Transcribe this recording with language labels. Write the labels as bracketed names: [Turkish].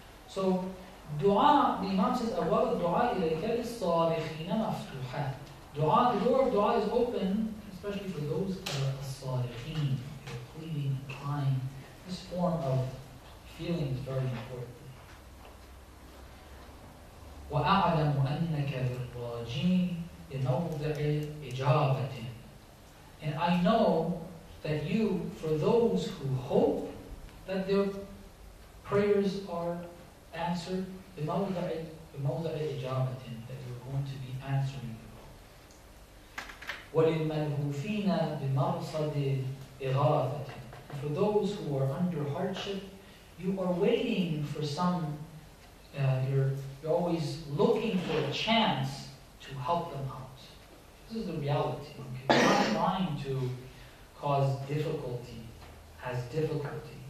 [English] So, dua, the Imam says, [Arabic] awwal dua ilayka lis-salihin maftuha. [English] Dua, the door of dua is open, especially for those who are as-salihin, pleading, crying. This form of feeling is very important. [Arabic] وأعلم أنك بالراجين لموضع إجابة. [English] And I know that you, for those who hope that their prayers are answered, [Arabic] بموضع إجابة, [English] that you're going to be answering them. [Arabic] وللملهوفين بمرصد إغاثة. [English] For those who are under hardship, you are waiting for some, you're always looking for a chance to help them out. This is the reality. Okay? He's not trying to cause difficulty as difficulty.